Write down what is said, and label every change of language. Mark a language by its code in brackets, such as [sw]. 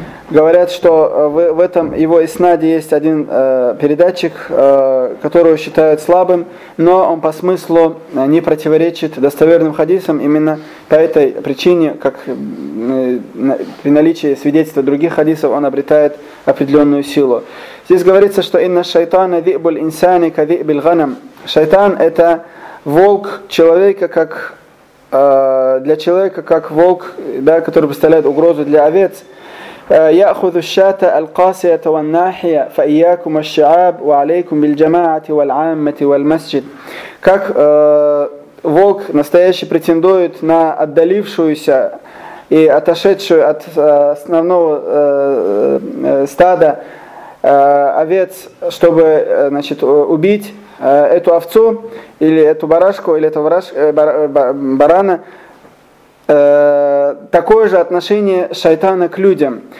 [ru] Говорят, что в этом его иснаде есть один передатчик, которого считают слабым, но он по смыслу не противоречит достоверным хадисам именно по этой причине, как при наличии свидетельства других хадисов он обретает определенную силу. Здесь говорится, что [ar] «Инна шайтана дзибуль инсани ка дзибиль ганам». [ru] Шайтан – это волк человека, как для человека, как волк, да, который представляет угрозу для овец. [ar] يأخذ الشاة القاسية والناحية فإياكم الشعاب وعليكم بالجماعة والعامة والمسجد. [ru] Как волк настоящий претендует на отдалившуюся и отошедшую от основного стада овец, чтобы, значит, убить эту овцу или эту барашку или этого барана, такое же отношение шайтана к людям.